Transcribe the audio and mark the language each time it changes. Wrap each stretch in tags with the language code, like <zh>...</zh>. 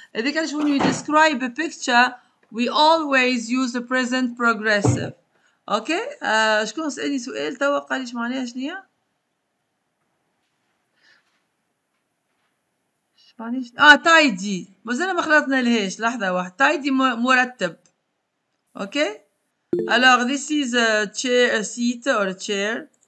<en>Because when you describe a picture, we always use the present progressive.</en> <ar>Okay, شكون سألني سؤال توا قال لي شمعناها شنية؟ tidy. مازال ما خلطنا لهاش لحظة واحد.</ar> <en>Tidy مرتب. Okay. Alors, this is a chair, a seat, or a chair.</en>